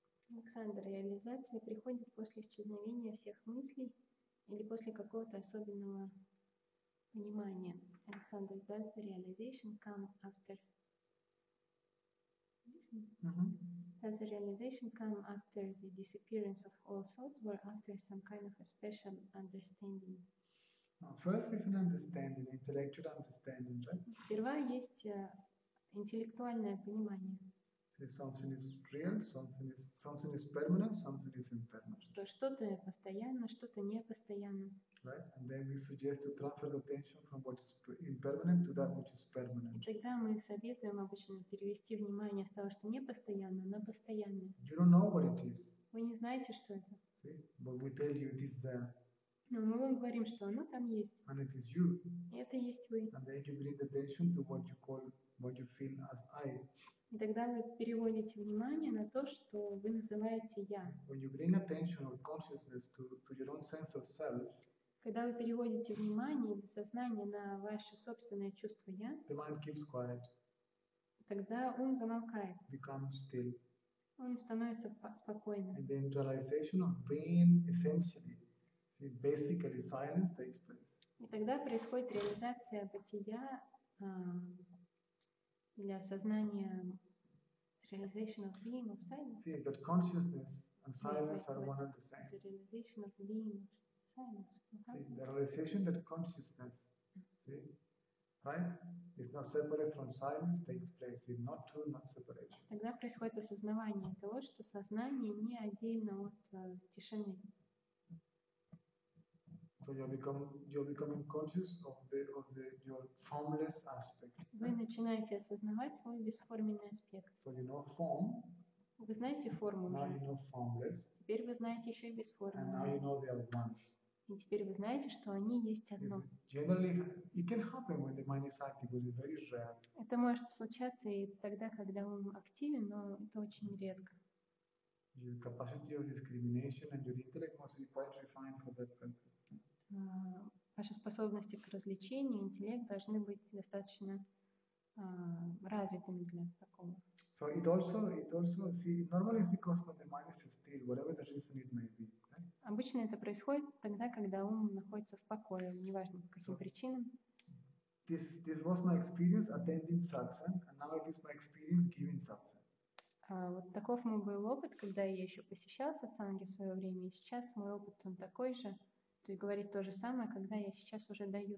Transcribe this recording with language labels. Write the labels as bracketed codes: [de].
[ru] Александр, реализация приходит после исчезновения всех мыслей или после какого-то особенного Внимание. [en] Александр, does the realization come after? Does the realization come after the disappearance of all thoughts or after some kind of a special understanding? First is an understanding, intellectual understanding, right? [ru] Сперва есть интеллектуальное понимание. [en] Something is real, something is permanent, something is impermanent. [ru] Что что-то постоянно, что-то непостоянно. [en] Right? And then we suggest to transfer the attention from what is impermanent to that which is permanent. [ru] И тогда мы советуем обычно перевести внимание с того, что непостоянно, на постоянное. [en] You don't know what it is. [ru] Вы не знаете, что это. [en] See? But we tell you it is there. [ru] Но мы вам говорим, что оно там есть. [en] And it is you. [ru] И это есть вы. [en] And then you bring the attention to what you call, what you feel as I. [ru] И тогда вы переводите внимание на то, что вы называете «я». [en] When you bring attention or consciousness to your own sense of self, [ru] когда вы переводите внимание или сознание на ваше собственное чувство «я», [en] the mind keeps quiet. [ru] Тогда ум замолкает. [en] Becomes still. [ru] Он становится спокойным. [en] And then realization of being essentially, see, basically silence takes place. [ru] И тогда происходит реализация бытия, для сознания, [en] realization of being, of silence. See, that consciousness and silence are one and the same. The realization of being, of silence. See, the realization that consciousness, see, right, is not separate from silence takes place. It's not two, not separation. [ru] Тогда происходит осознавание того, что сознание не отдельно от тишины. [en] So you're becoming conscious of the your formless aspect. [ru] Вы начинаете осознавать свой бесформенный аспект. [en] So you know form. [ru] Вы знаете форму. [en] Now you know formless. [ru] Теперь вы знаете еще и бесформенный. [en] And now you know they are one. [ru] И теперь вы знаете, что они есть одно. [en] Generally, it can happen when the mind is active, but it's very rare. [ru] Это может случаться и тогда, когда он активен, но это очень редко. [en] Your capacity of discrimination and your intellect must be quite refined for that purpose. [ru] Ваши способности к развлечению, интеллект должны быть достаточно развитыми для такого. [en] So it also, see, normally it's because when the mind is still, whatever the reason it may be. [ru] Обычно это происходит тогда, когда ум находится в покое, неважно по каким причинам. [en] This was my experience attending satsang, and now it is my experience giving satsang. [ru] Вот таков мой был опыт, когда я еще посещал сатсанги в свое время, и сейчас мой опыт он такой же. То есть говорить то же самое, когда я сейчас уже даю